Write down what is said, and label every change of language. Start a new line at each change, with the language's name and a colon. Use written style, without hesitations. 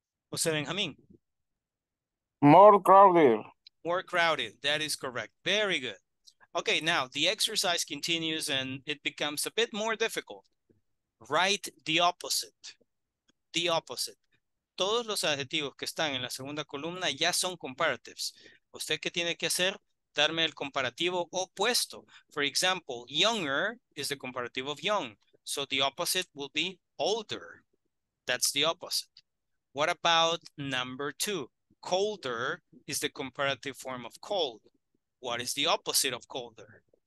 English: Jose Benjamin. More crowded. More crowded. That is correct. Very good. Okay, now the exercise continues and it becomes a bit more difficult. Write the opposite. The opposite.
Spanish: Todos los adjetivos que están en la segunda columna ya son comparatives. ¿Usted qué tiene que hacer? Darme el comparativo opuesto.
English: For example, younger is the comparative of young. So the opposite will be older. That's the opposite. What about number two? Colder is the comparative form of cold. What is the opposite of colder?